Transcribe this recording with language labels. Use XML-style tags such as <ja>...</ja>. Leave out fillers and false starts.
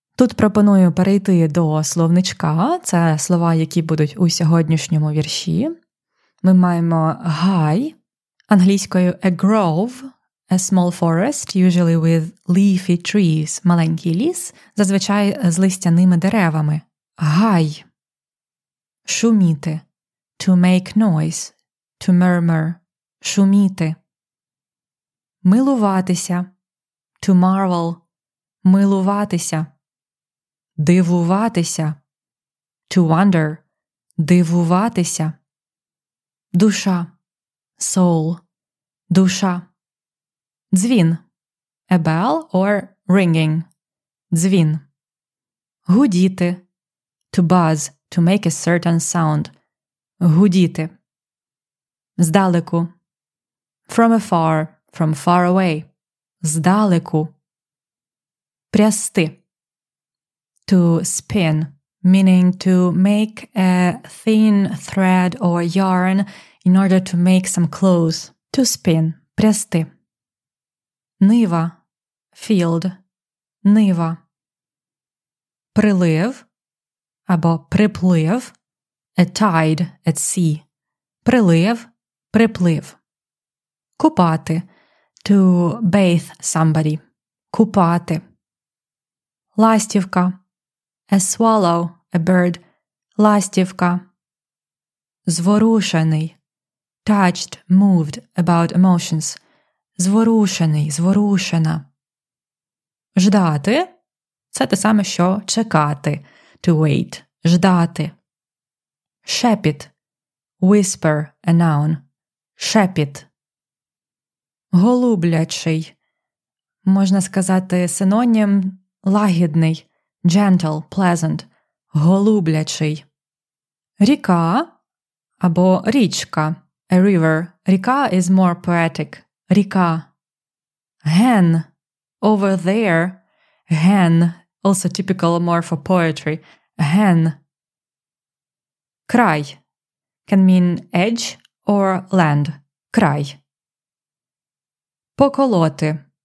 <uk>Тут пропоную перейти до словничка. Це слова, які будуть у сьогоднішньому вірші. Ми маємо гай, англійською</uk> <en>a grove, a small forest, usually with leafy trees,</en> <uk>маленький ліс, зазвичай з листяними деревами.</uk> <en>Гай – шуміти, to make noise, to murmur, шуміти.</en> <uk>Милуватися –</uk> <en>to marvel,</en> <uk>милуватися. Дивуватися –</uk> <en>to wonder,</en> <uk>дивуватися. Душа – soul, душа.</uk> <en>Дзвін – a bell or ringing, дзвін. Гудіти – to buzz, to make a certain sound, гудіти. Здалеку – from afar, from far away, здалеку. Прясти – to spin, meaning to make a thin thread or yarn in order to make some clothes. To spin – прясти.</en> <uk>Нива – field, нива. Прилив або приплив</uk> <en>– a tide at sea.</en> <uk>Прилив – приплив.</uk> <en>Купати – to bathe somebody.</en> <uk>Купати.</uk> <en>Ластівка – a swallow, a bird.</en> <uk>Ластівка.</uk> <en>Зворушений – touched, moved, about emotions.</en> <uk>Зворушений, зворушена. Ждати – це те саме, що чекати.</uk> <en>To wait – ждати. Шепіт – whisper, a noun.</en> <uk>Шепіт. Голублячий – можна сказати синонім лагідний.</uk> <en>Gentle, pleasant. Голублячий.</en> <uk>Ріка або річка –</uk> <en>a river. Ріка is more poetic. Ріка. Hen. Over there. Hen. Also typical more for poetry. Hen. Край. Can mean edge or land. Край. Поколоти.</en>